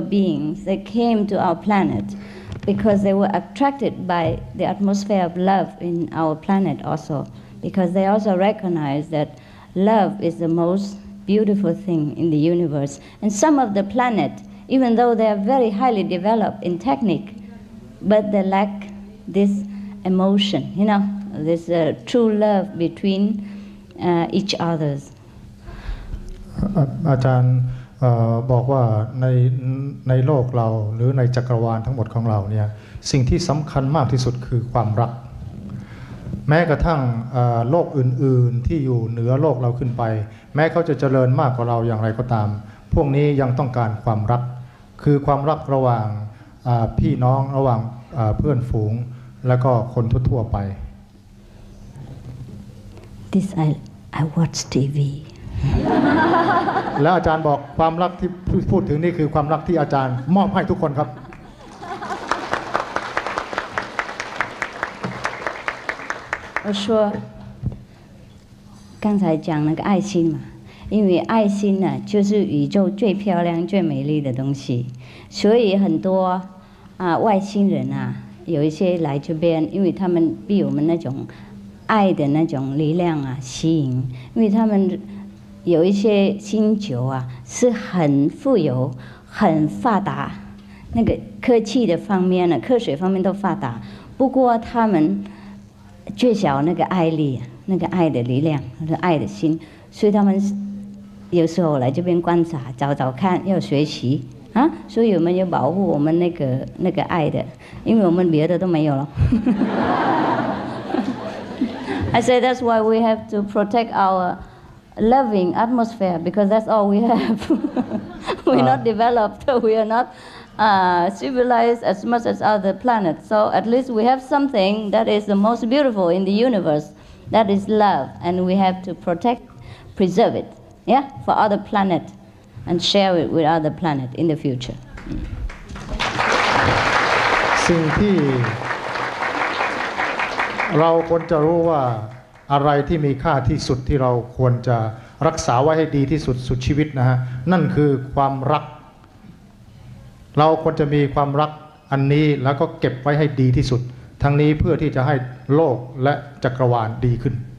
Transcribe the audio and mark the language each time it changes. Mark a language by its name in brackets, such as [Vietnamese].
[English] beings, they came to our planet because they were attracted by the atmosphere of love in our planet also, because they also recognize that love is the most beautiful thing in the universe. And some of the planet, even though they are very highly developed in technique, but they lack this emotion, you know, this true love between each other. [Thai] อาจารย์บอกว่าในโลกเราหรือในจักรวาลทั้งหมดของเราเนี่ยสิ่งที่สำคัญมากที่สุดคือความรักแม้กระทั่งโลกอื่นๆที่อยู่เหนือโลกเราขึ้นไปแม้เขาจะเจริญมากกว่าเราอย่างไรก็ตามพวกนี้ยังต้องการความรักคือความรักระหว่างพี่น้องระหว่างเพื่อนฝูงแล้วก็คนทั่วๆไป [English] This I watch TV [Thai] แล้วอาจารย์บอกความรักที่พูดถึงนี่คือความรักที่อาจารย์มอบให้ทุกคนครับ [Chinese] 我说刚才讲那个爱心嘛，因为爱心呢就是宇宙最漂亮最美丽的东西，所以很多外星人啊有一些来这边，因为他们被我们那种爱的那种力量啊吸引，因为他们有一些星球啊是很富有很发达，那个科技的方面呢，科学方面都发达，不过他们缺少那个爱力，那个爱的力量，那个爱的心，所以他们有时候来这边观察找找看，要学习啊，所以我们要保护我们那个爱的，因为我们别的都没有了。 [English] I say that's why we have to protect ourloving atmosphere, because that's all we have. We're not developed, we are not civilized as much as other planets. So at least we have something that is the most beautiful in the universe, that is love, and we have to protect, preserve it, yeah, for other planet, and share it with other planet in the future. [Thai] สิ่งที่เราควรจะรู้ว่าอะไรที่มีค่าที่สุดที่เราควรจะรักษาไว้ให้ดีที่สุดสุดชีวิตนะฮะนั่นคือความรักเราควรจะมีความรักอันนี้แล้วก็เก็บไว้ให้ดีที่สุดทั้งนี้เพื่อที่จะให้โลกและจักรวาลดีขึ้น